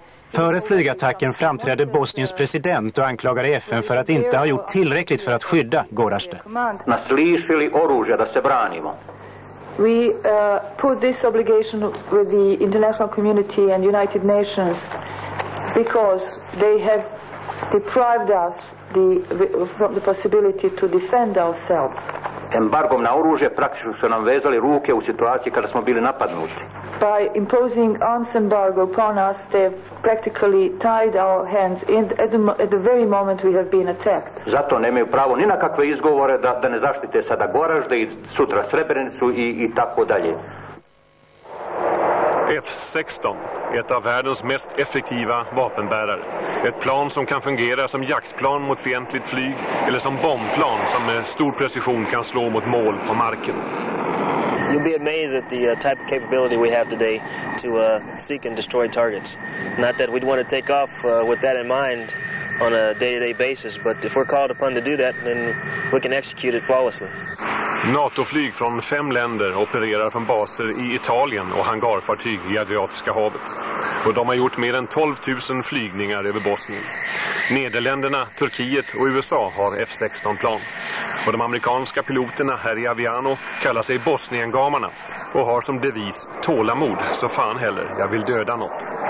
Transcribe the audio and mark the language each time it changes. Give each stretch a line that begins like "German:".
Swedish: Före flygattacken framträdde Bosniens president och anklagade FN för att inte ha gjort tillräckligt för att skydda Gorace.
Bosnian: Naslišili oružja da se branimo.
English: We put this obligation with the international community and United Nations because they have deprived us the possibility to defend ourselves.
Bosnian: Embargom na oružje praktično su nam vezali ruke u situaciji kada smo bili napadnuti.
English: By imposing arms embargo upon us, they've practically tied our hands at the very moment we have been attacked.
Bosnian: Zato nemaju pravo ni na kakve izgovore da ne zaštite sada Gorace i sutra Srebrenicu i tako dalje.
Swedish: F-16, ett av världens mest effektiva vapenbärare. Ett plan som kan fungera som jaktplan mot fientligt flyg eller som bombplan som med stor precision kan slå mot mål på marken.
English: You'd be amazed at the type of capability we have today to seek and destroy targets. Not that we'd want to take off with that in mind on a day-to-day basis, but if we're called upon to do that, then we can execute it flawlessly.
Swedish: NATO-flyg från 5 länder opererar från baser i Italien och hangarfartyg i Adriatiska havet. Och de har gjort mer än 12 000 flygningar över Bosnien. Nederländerna, Turkiet och USA har F-16-plan. Och de amerikanska piloterna här i Aviano kallar sig Bosniengamarna och har som devis tålamod, så fan heller, jag vill döda något.